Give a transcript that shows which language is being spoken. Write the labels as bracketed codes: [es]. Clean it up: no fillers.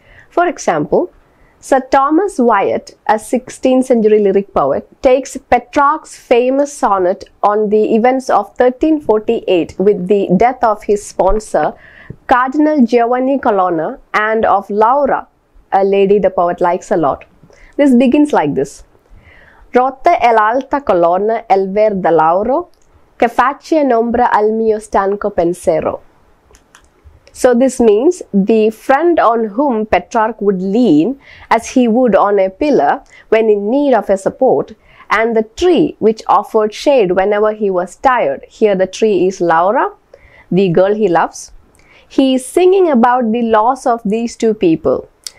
[en] For example, Sir Thomas Wyatt, a 16th century lyric poet, takes Petrarch's famous sonnet on the events of 1348 with the death of his sponsor, Cardinal Giovanni Colonna, and of Laura, a lady the poet likes a lot. This begins like this. [it] Rotta è l'alta colonna el ver da Lauro, che faccia nombra al mio stanco pensiero. [en] So this means the friend on whom Petrarch would lean as he would on a pillar when in need of a support, and the tree which offered shade whenever he was tired. Here the tree is Laura, the girl he loves. He is singing about the loss of these two people.